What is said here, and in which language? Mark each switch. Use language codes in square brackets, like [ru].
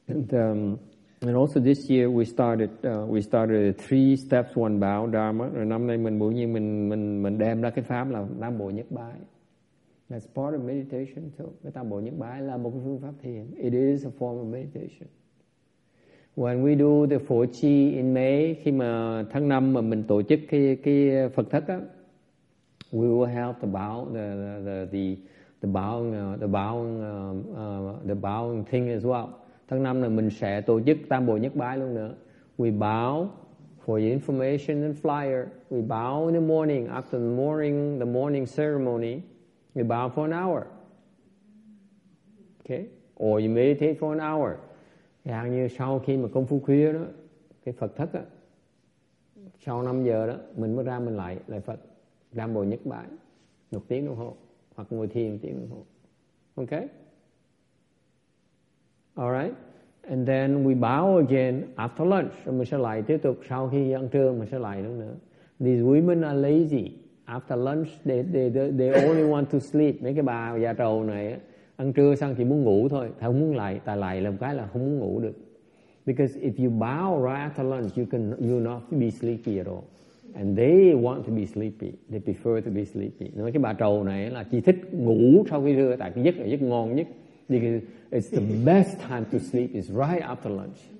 [en] And also this year we started three steps one bow dharma. [vi] Rồi năm nay mình bỗng nhiên mình đem ra cái pháp là Nam Bộ Nhất Bái. [en] That's part of meditation too. [vi] Cái Tam Bộ Nhất Bái là một phương pháp thiền. [en] It is a form of meditation. When we do the Phổ Chi in May, [vi] khi mà tháng 5 mà mình tổ chức cái Phật thất á, [en] we will have the bowing thing as well. [vi] Tháng 5 là mình sẽ tổ chức Tam Bộ Nhất Bái luôn nữa. [en] We bow for your information and flyer. We bow in the morning after the morning ceremony. You bow for an hour, okay? Or you meditate for an hour. [vi] Giống như sau khi mà công phu khuya đó, cái Phật thất á, sau 5 giờ đó, mình mới ra mình lại Phật, Nam Bộ Nhất Bái, một tiếng đồng hồ, hoặc ngồi thiền tiếng đồng hồ, okay? [en] All right, and then we bow again after lunch. [vi] So mình sẽ lại tiếp tục sau khi ăn trưa, mình sẽ lại nữa. [en] These women are lazy. After lunch, they only want to sleep. [vi] Mấy cái bà già trầu này ăn trưa xong chỉ muốn ngủ thôi, thà không muốn lại, tại lại làm cái là không muốn ngủ được. [en] Because if you bow right after lunch, you'll not be sleepy at all. And they want to be sleepy. They prefer to be sleepy. [vi] Mấy cái bà trầu này là chỉ thích ngủ sau khi trưa, tại cái giấc là giấc ngon nhất. [en] Because it's the best time to sleep is right after lunch.